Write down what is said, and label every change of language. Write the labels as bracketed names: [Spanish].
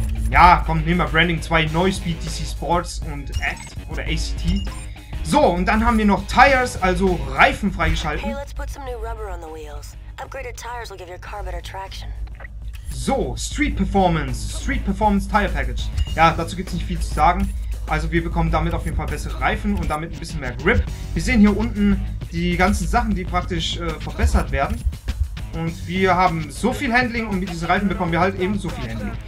[German] Ja, komm, nehmen wir Branding 2, Noisepeed DC Sports und Act oder ACT. So, und dann haben wir noch Tires, also Reifen freigeschalten. [English] Hey, let's put some new rubber on the wheels. Upgraded tires will give your car better traction. So, Street Performance Tire Package. [German] Ja, dazu gibt es nicht viel zu sagen. Also wir bekommen damit auf jeden Fall bessere Reifen und damit ein bisschen mehr Grip. Wir sehen hier unten die ganzen Sachen, die praktisch verbessert werden. Und wir haben so viel Handling und mit diesen Reifen bekommen wir halt eben so viel Handling.